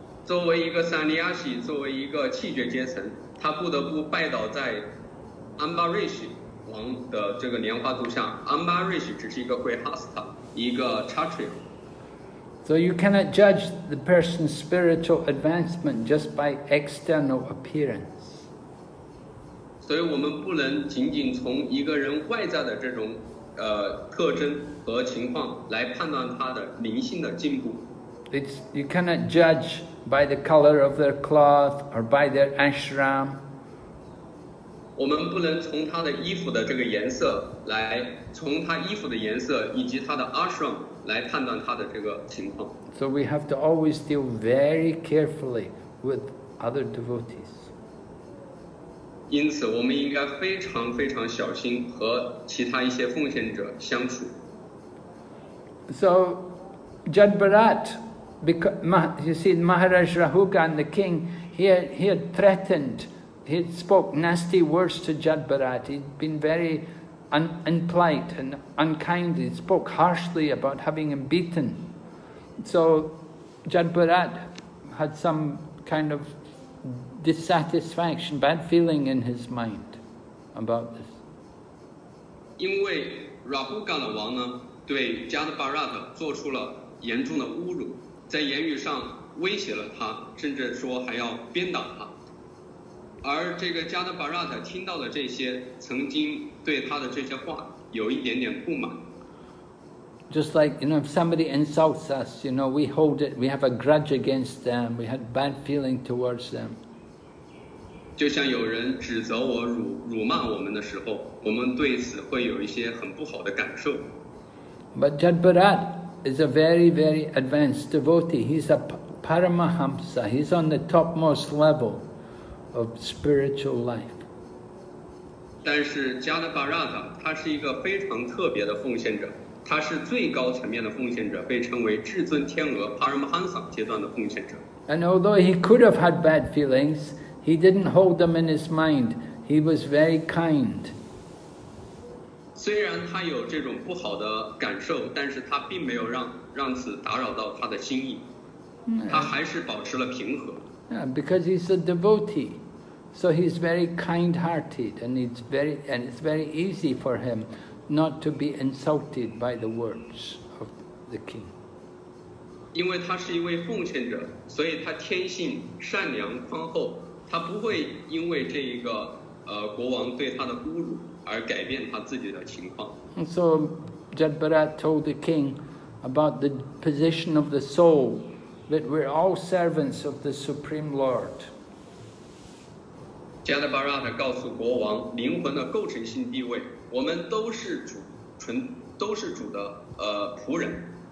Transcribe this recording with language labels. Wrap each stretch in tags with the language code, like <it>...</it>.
<zh>作为一个三尼亚西，作为一个气绝阶层，他不得不拜倒在安巴瑞什王的这个莲花柱下。安巴瑞什只是一个贵哈斯塔，一个查特里。</zh> <en>So you cannot judge the person's spiritual advancement just by external appearance.</en> <zh>所以我们不能仅仅从一个人外在的这种特征和情况来判断他的灵性的进步。</zh> <en>You cannot judge by the color of their cloth or by their ashram.</en> <zh>我们不能从他的衣服的这个颜色来，从他衣服的颜色以及他的 ashram 来判断他的这个情况。</zh> <en>So we have to always deal very carefully with other devotees.</en> <zh>因此，我们应该非常非常小心和其他一些奉献者相处。</zh> <en>So, Jad Bharat. Because, you see, Maharaj Rahugan, the king, he had threatened, he had spoke nasty words to Jad Bharat. He'd been very impolite and unkind. He spoke harshly about having him beaten. So Jad Bharat had some kind of dissatisfaction, bad feeling in his mind about this. Because Rahugan, the king, had made Jad Bharat a serious insult.</en> <zh>在言语上威胁了他，甚至说还要鞭打他。而这个加德巴拉特听到了这些，曾经对他的这些话有一点点不满。</zh> <en>Just like, you know, if somebody insults us, you know, we hold it, we have a grudge against them, we had bad feeling towards them.</en> <zh>就像有人指责我、辱骂我们的时候，我们对此会有一些很不好的感受。</zh> <en>But Jad Bharat. Is a very, very advanced devotee. He's a paramahamsa. He's on the topmost level of spiritual life.</en> <zh>但是加德巴拉塔，他是一个非常特别的奉献者，他是最高层面的奉献者，被称为至尊天鹅 paramahamsa 阶段的奉献者。</zh> <en>And although he could have had bad feelings, he didn't hold them in his mind. He was very kind.</en> <zh>虽然他有这种不好的感受，但是他并没有让此打扰到他的心意，他还是保持了平和。</zh> <en>Yeah, because he's a devotee, so he's very kind-hearted, and it's very easy for him not to be insulted by the words of the king.</en> <zh>因为他是一位奉献者，所以他天性善良宽厚，他不会因为这一个国王对他的侮辱。而改变他自己的情况。</zh> <en>So Jad Bharat told the king about the position of the soul, that we're all servants of the Supreme Lord.</en> <zh>Jadavarata 告诉国王，灵魂的构成性地位，我们都是主，都是主的仆人。</zh>